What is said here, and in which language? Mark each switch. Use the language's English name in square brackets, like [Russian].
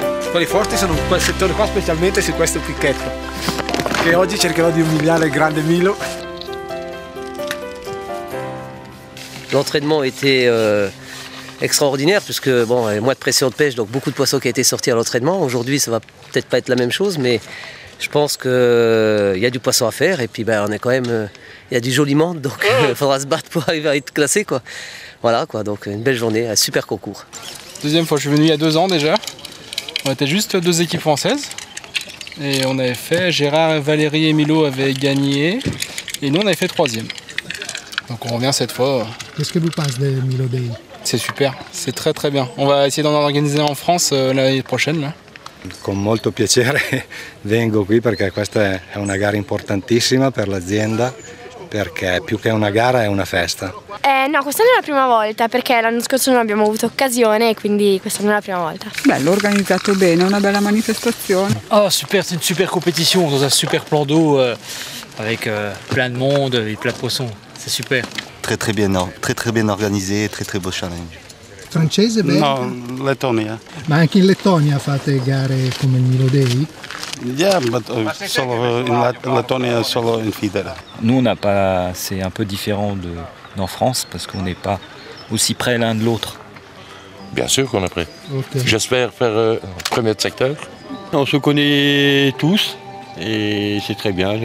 [Italian] Quelli forti sono quel settore qua, specialmente su questo picchetto, che oggi cercherò di umiliare il grande Milo. [French] L'entraînement était extraordinaire puisque bon, mois de pression de pêche, donc beaucoup de poissons qui a été sorti à l'entraînement. Aujourd'hui, ça va peut-être pas être la même chose, mais je pense que il y a du poisson à faire et puis ben on est quand même il y a du joli monde, donc faudra se battre pour arriver à être classé quoi. Voilà quoi, donc une belle journée, un super concours. Deuxième fois, je suis venu il y a deux ans déjà. On était juste deux équipes françaises et on avait fait, Gérard, Valérie et Milo avaient gagné et nous on avait fait troisième. Donc on revient cette fois. Qu'est-ce que vous pensez des Milo Day? C'est super, c'est très très bien. On va essayer d'en organiser en France l'année prochaine. Là. [Italian] Con molto piacere vengo qui perché questa è una gara importantissima per l'azienda. Perché più che una gara è una festa. No, quest'anno è la prima volta, perché l'anno scorso non abbiamo avuto occasione, quindi quest'anno è la prima volta. Bello, organizzato bene, una bella manifestazione. [French] Oh, super, [Italian] c'è una super competizione, [French] dans un super plan d'eau, avec plein de monde et plein de poissons, c'est super. Très très bien, très très bien organisé, très très beau challenge. [Italian] Francese, bene? No, Lettonia. Ma anche in Lettonia fate gare come il Milo Day? [English] Yeah, but [Italian] solo in Lettonia, solo in Fidera. [French] Nous, on a pas, c'est un peu différent de, d'en France parce qu'on n'est pas aussi près l'un de l'autre. Bien sûr qu'on est prêt. Okay. J'espère faire premier secteur. On se connaît tous et c'est très bien.